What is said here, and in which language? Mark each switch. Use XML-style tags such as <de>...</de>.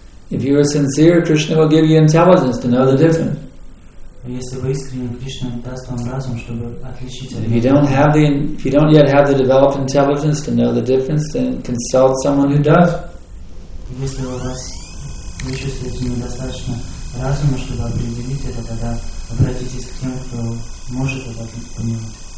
<en>If you are sincere, Krishna will give you intelligence to know the difference.</en> <ru>Если вы искренне, Кришна даст вам разум, чтобы отличить.</ru> <en>If you don't yet have the developed intelligence to know the difference, then consult someone who does.</en> <ru>Если у вас не чувствуете недостаточно разума, чтобы определить это, тогда обратитесь к тем, кто может это понимать.</ru>